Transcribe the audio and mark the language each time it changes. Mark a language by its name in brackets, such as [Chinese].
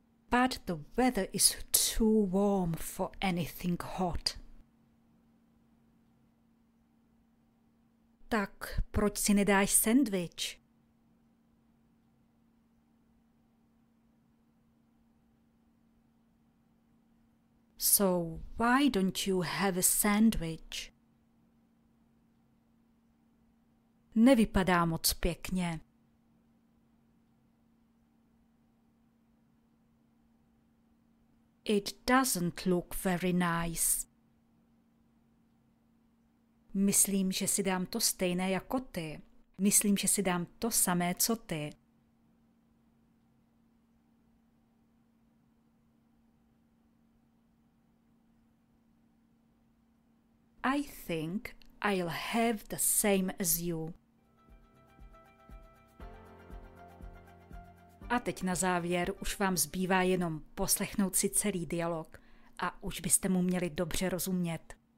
[English] But the weather is too warm for anything hot. [Czech] Tak proč si nedáš sendvič? [English] So why don't you have a sandwich? [Czech] Nevypadá moc pěkně. [English] It doesn't look very nice. [Czech] Myslím, že si dám to stejné jako ty. Myslím, že si dám to samé, co ty. [English] I think I'll have the same as you. [Czech] A teď na závěr už vám zbývá jenom poslechnout si celý dialog a už byste mu měli dobře rozumět.